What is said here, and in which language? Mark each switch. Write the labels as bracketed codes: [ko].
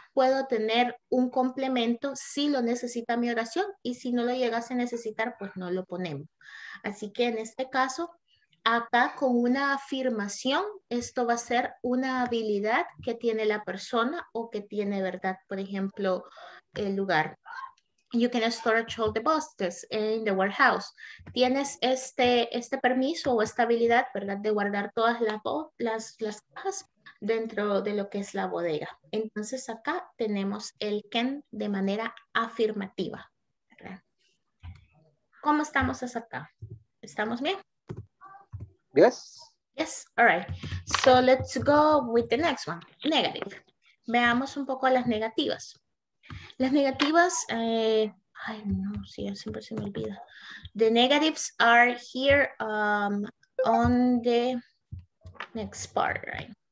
[es] Puedo tener un complemento si lo necesita mi oración. Y si no lo llegase a necesitar, pues no lo ponemos. Así que en este caso, acá con una afirmación, esto va a ser una habilidad que tiene la persona o que tiene, ¿verdad? Por ejemplo, el lugar. [en] You can storage all the boxes in the warehouse. [es] Tienes este permiso o esta habilidad, ¿verdad? De guardar todas las cajas dentro de lo que es la bodega. Entonces acá tenemos el can de manera afirmativa, ¿verdad? ¿Cómo estamos hasta acá? ¿Estamos bien? [en] Yes. Yes, all right. So let's go with the next one, negative. [es] Veamos un poco las negativas. Las negativas, ay no, sí, siempre se me olvida. [en] The negatives are here on the next part, right?